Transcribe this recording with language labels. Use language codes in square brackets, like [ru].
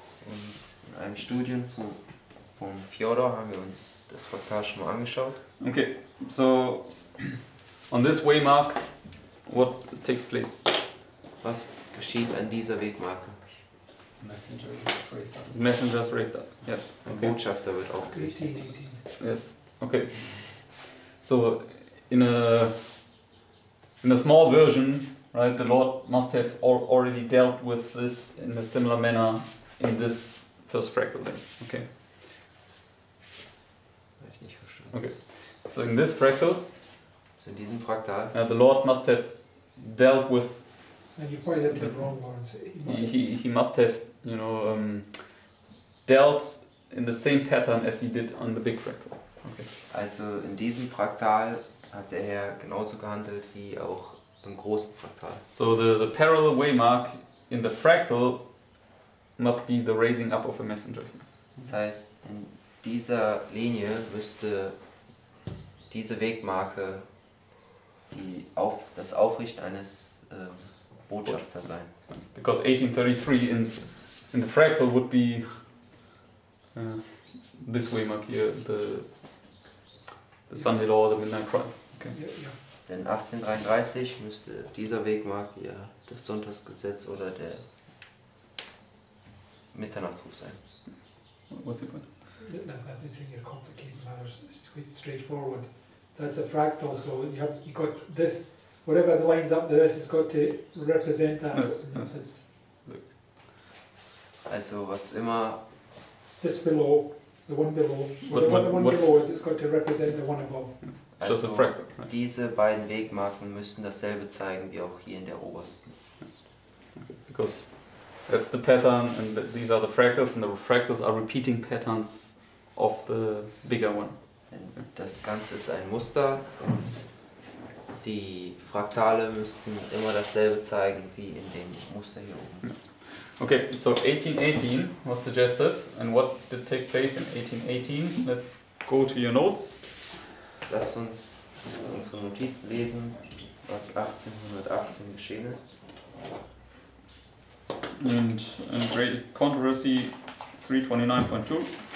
[de] Und in einem Studium von Fyodor haben wir uns das Fraktal schon mal angeschaut. [en] Okay, so on this waymark, what takes place? [de] Was geschieht an dieser Wegmarke? [en] Messenger raised up. Messenger's raised up. Yes. [de] Okay. Botschafter wird aufgerichtet. [en] Yes. Okay. So, in a small version, right? The Lord must have already dealt with this in a similar manner in this first fractal. Then. Okay. Okay. So in this fractal. [de] So in diesem Fraktal. [en] The Lord must have dealt with. And you probably had the wrong words. He must have, you know, dealt in the same pattern as he did on the big fractal. Okay. [de] Also in diesem Fraktal hat der Herr genauso gehandelt wie auch im großen Fraktal. [en] So the parallel waymark in the fractal must be the raising up of a messenger. [de] Das heißt, in dieser Linie müsste diese Wegmarke die auf das Aufrichten eines Botschafters sein. [en] Because 1833 in the fractal would be this waymark here, the Sunday Law, the Midnight Cry. Okay. [de] Denn 1833 müsste auf dieser Wegmark ja das Sonntagsgesetz oder der Mitternachtsruf sein. [en] What's it called? No, I think it's complicated matter. It's straightforward. That's a fractal, so you have you got this, whatever lines up to this, it's got to represent that. Yes, yes. It's, [de] also, was immer. [en] This below, the one below, below is, it's got to represent the one above. It's just [de] also [en] a fractal. Right? [de] Diese beiden Wegmarken müssten dasselbe zeigen wie auch hier in der obersten. [en] Yes. Okay. Because that's the pattern, and these are the fractals, and the fractals are repeating patterns of the bigger one. Okay. [de] Das Ganze ist ein Muster, und die Fraktale müssten immer dasselbe zeigen wie in dem Muster hier oben. [en] Yes. Okay, so 1818 was suggested, and what did take place in 1818? Let's go to your notes. [de] Lass uns unsere Notiz lesen, was 1818 geschehen ist. [en] And in great controversy 329.2.